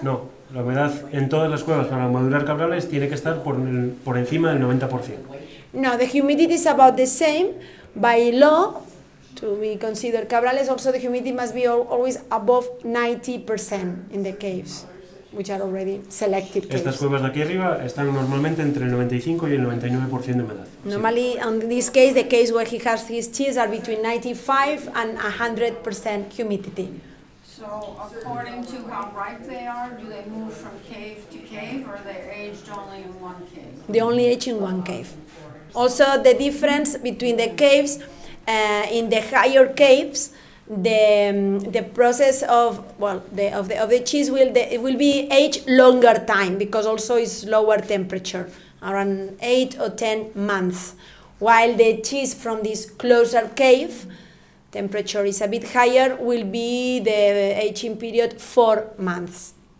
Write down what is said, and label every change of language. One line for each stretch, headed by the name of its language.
Spanish: No, la humedad en todas las cuevas para madurar cabrales tiene que estar por encima del 90%.
English: No, the humidity is about the same. By law, to be considered cabrales, also the humidity must be always above 90% in the caves, which are already selected caves.
Spanish: Estas cuevas de aquí arriba están normalmente entre el 95 y el 99% de humedad.
English: Normally, sí. In this case, the caves where he has his cheese are between 95 and 100% humidity. So, according to how ripe they are, do they move from cave to cave, or are they aged only in one cave? They only age in one cave. Also, the difference between the caves, in the higher caves, the process of the cheese will be aged longer time because also it's lower temperature, around 8 or 10 months, while the cheese from this closer cave temperature is a bit higher will be the aging period 4 months.